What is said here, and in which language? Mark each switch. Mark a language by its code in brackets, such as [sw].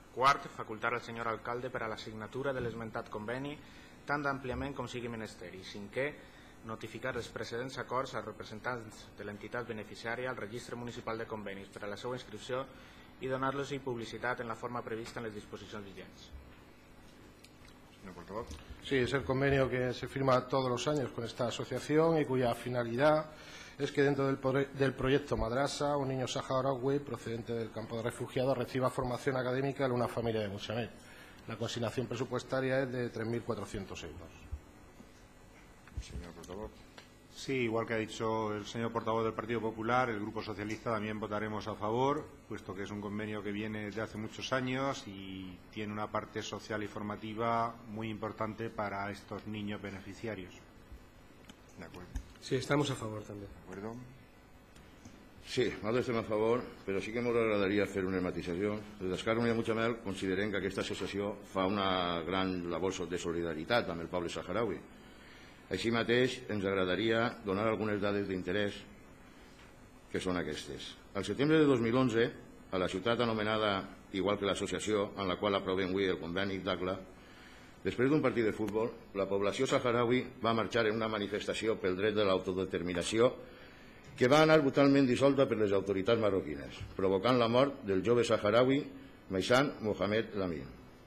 [ca] Quart, facultar al senyor alcalde per a l'assignatura de l'esmentat conveni, tant d'àmpliament com sigui menester. I cinquè, notificar els precedents acords als representants de l'entitat beneficiària al Registre Municipal de Convenis per a la seva inscripció i donar-los-hi publicitat en la forma prevista en les disposicions vigents. [es] Señor portavoz. Sí, es el convenio que se firma todos los años con esta asociación y cuya finalidad es que dentro del proyecto Madrasa, un niño saharaui procedente del campo de refugiados reciba formación académica en una familia de Muchamel. La consignación presupuestaria es de 3.400 euros. Señor portavoz. Sí, igual que ha dicho el señor portavoz del Partido Popular, el Grupo Socialista también votaremos a favor, puesto que es un convenio que viene de hace muchos años y tiene una parte social y formativa muy importante para estos niños beneficiarios. De acuerdo. Sí, estamos a favor también. De acuerdo. Sí, no estamos a favor, pero sí que me agradaría hacer una matización. Desde Esquerra Unida Muchamel consideren que esta asociación fa una gran labor de solidaridad con el pueblo saharaui. [ca] Així mateix, ens agradaria donar algunes dades d'interès que són aquestes. Al setembre de 2011, a la ciutat anomenada, igual que l'associació en la qual aprovem avui el conveni d'ACLA, després d'un partit de futbol, la població saharaui va marxar en una manifestació pel dret de l'autodeterminació que va anar brutalment dissolta per les autoritats marroquines, provocant la mort del jove saharaui Maysan Mohamed Lamin.